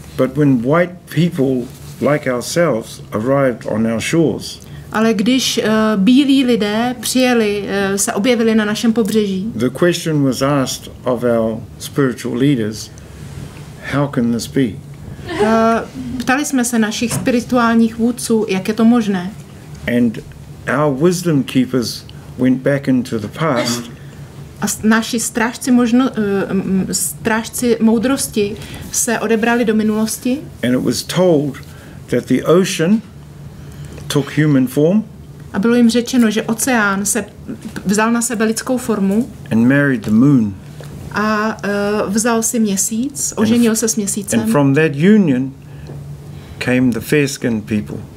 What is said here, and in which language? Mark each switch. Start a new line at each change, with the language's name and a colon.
English: But when white people like ourselves arrived on our shores.
Czech: Ale když bílí lidé přijeli, se objevili na našem pobřeží.
English: The question was asked of our spiritual leaders, how can this be?
Czech: Ptali jsme se našich spirituálních vůdců, jak je to možné.
English: And our wisdom keepers went back into the past
Czech: a naši strážci strážci moudrosti se odebrali do minulosti.
English: And it was told that the ocean took human form.
Czech: A bylo jim řečeno, že oceán se vzal na sebe lidskou formu.
English: And married the moon.
Czech: A vzal si měsíc, oženil se s měsícem.
English: And from that union came the fair-skinned people.